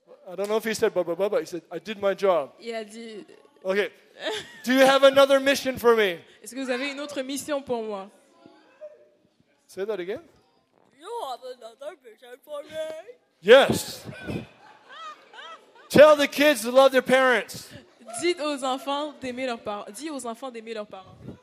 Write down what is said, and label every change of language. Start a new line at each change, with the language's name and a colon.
English: I don't know if he said blah, blah, blah, but he said, I did my job.
French: Il a dit.
English: Okay. Do you have another mission for me?
French: Est-ce que vous avez une autre mission pour moi?
English: Say that again. You have another mission for me? Yes. Tell the kids to love their parents.
French: Dites aux enfants d'aimer leurs parents. Dites aux enfants d'aimer leurs parents.